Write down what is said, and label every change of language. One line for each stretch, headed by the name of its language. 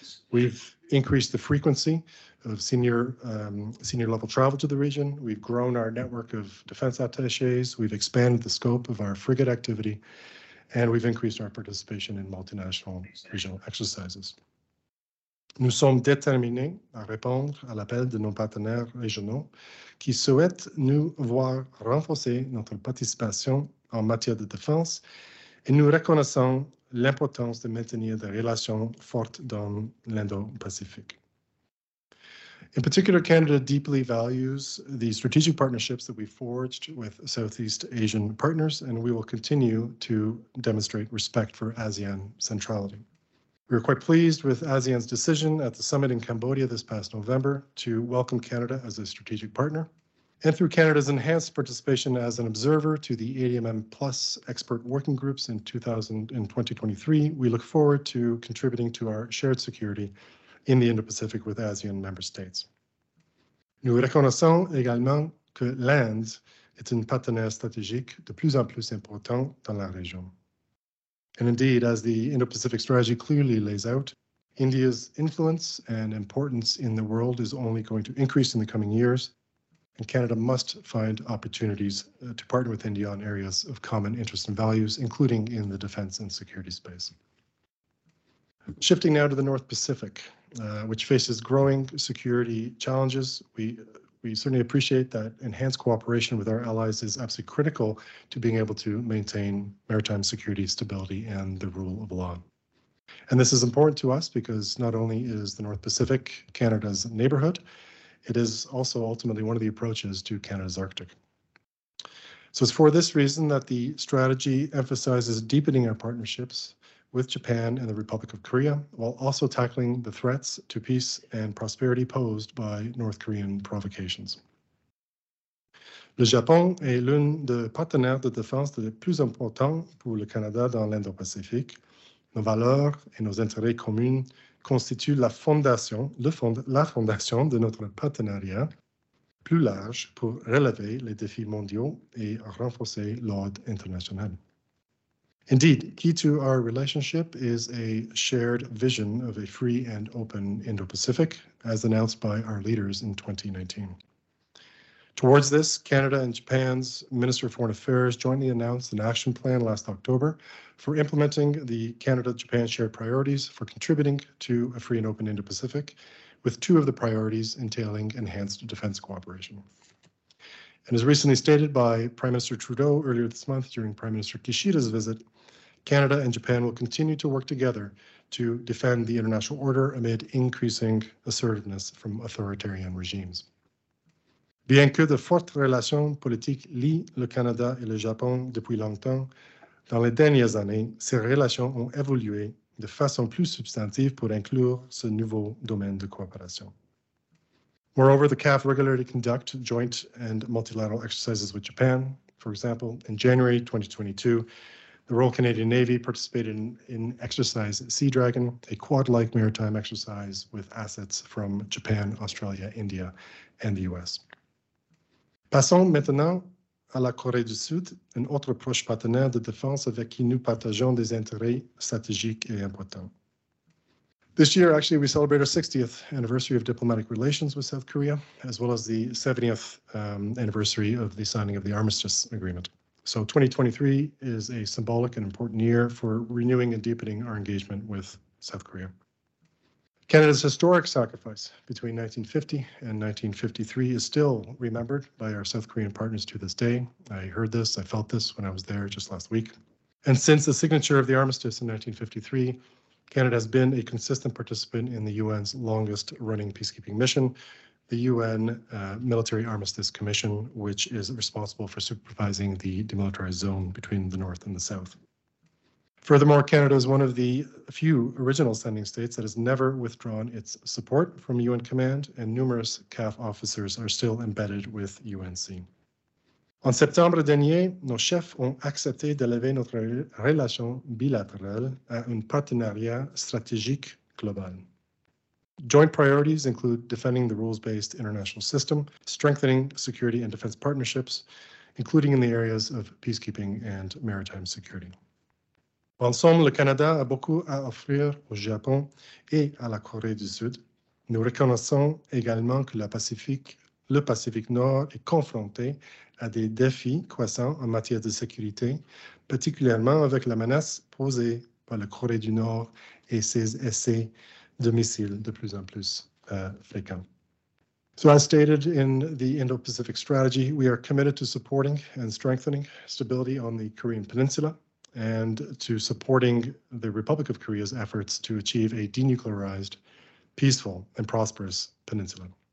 English: We've increased the frequency of senior level travel to the region. We've grown our network of defense attachés. We've expanded the scope of our frigate activity, and we've increased our participation in multinational regional exercises.
French: Nous sommes déterminés à répondre à l'appel de nos partenaires régionaux qui souhaitent nous voir renforcer notre participation en matière de défense, et nous reconnaissons l'importance de maintenir des relations fortes dans l'Indo-Pacific.
English: In particular, Canada deeply values the strategic partnerships that we forged with Southeast Asian partners, and we will continue to demonstrate respect for ASEAN centrality. We are quite pleased with ASEAN's decision at the summit in Cambodia this past November to welcome Canada as a strategic partner. And through Canada's enhanced participation as an observer to the ADMM Plus expert working groups in 2023, we look forward to contributing to our shared security in the Indo-Pacific with ASEAN member states.
French: Nous reconnaissons également que l'Inde est un partenaire stratégique de plus en plus important dans la région.
English: And indeed, as the Indo-Pacific strategy clearly lays out, India's influence and importance in the world is only going to increase in the coming years. And Canada must find opportunities to partner with India on areas of common interest and values, including in the defense and security space. Shifting now to the North Pacific, which faces growing security challenges, we certainly appreciate that enhanced cooperation with our allies is absolutely critical to being able to maintain maritime security, stability, and the rule of law. And this is important to us because not only is the North Pacific Canada's neighborhood, it is also ultimately one of the approaches to Canada's Arctic. So it's for this reason that the strategy emphasizes deepening our partnerships with Japan and the Republic of Korea, while also tackling the threats to peace and prosperity posed by North Korean provocations.
French: Le Japon est l'un des partenaires de défense les plus importants pour le Canada dans l'Indo-Pacifique. Nos valeurs et nos intérêts communs constitue la fondation de notre partenariat plus large pour relever les défis mondiaux et renforcer l'ordre international.
English: Indeed, key to our relationship is a shared vision of a free and open Indo-Pacific, as announced by our leaders in 2019. Towards this, Canada and Japan's Minister of Foreign Affairs jointly announced an action plan last October for implementing the Canada-Japan shared priorities for contributing to a free and open Indo-Pacific, with two of the priorities entailing enhanced defense cooperation. And as recently stated by Prime Minister Trudeau earlier this month during Prime Minister Kishida's visit, Canada and Japan will continue to work together to defend the international order amid increasing assertiveness from authoritarian regimes.
French: Bien que de fortes relations politiques lient le Canada et le Japon depuis longtemps, dans les dernières années, ces relations ont évolué de façon plus substantive pour inclure ce nouveau domaine de coopération.
English: Moreover, the CAF regularly conduct joint and multilateral exercises with Japan. For example, in January 2022, the Royal Canadian Navy participated in Exercise Sea Dragon, a quad-like maritime exercise with assets from Japan, Australia, India, and the US.
French: Passons maintenant à la Corée du Sud, un autre proche partenaire de défense avec qui nous partageons des intérêts stratégiques et importants.
English: This year, actually, we celebrate our 60th anniversary of diplomatic relations with South Korea, as well as the 70th anniversary of the signing of the armistice agreement. So 2023 is a symbolic and important year for renewing and deepening our engagement with South Korea. Canada's historic sacrifice between 1950 and 1953 is still remembered by our South Korean partners to this day. I heard this, I felt this when I was there just last week. And since the signature of the armistice in 1953, Canada has been a consistent participant in the UN's longest-running peacekeeping mission, the UN Military Armistice Commission, which is responsible for supervising the demilitarized zone between the North and the South. Furthermore, Canada is one of the few original sending states that has never withdrawn its support from UN command, and numerous CAF officers are still embedded with UNC.
French: En septembre dernier, nos chefs ont accepté d'élever notre relation bilatérale à un partenariat stratégique global.
English: Joint priorities include defending the rules-based international system, strengthening security and defense partnerships, including in the areas of peacekeeping and maritime security.
French: En somme, le Canada a beaucoup à offrir au Japon et à la Corée du Sud. Nous reconnaissons également que le Pacifique Nord est confronté à des défis croissants en matière de sécurité, particulièrement avec la menace posée par la Corée du Nord et ses essais de missiles de plus en plus fréquents.
English: So as stated in the Indo-Pacific strategy, we are committed to supporting and strengthening stability on the Korean Peninsula and to supporting the Republic of Korea's efforts to achieve a denuclearized, peaceful, and prosperous peninsula.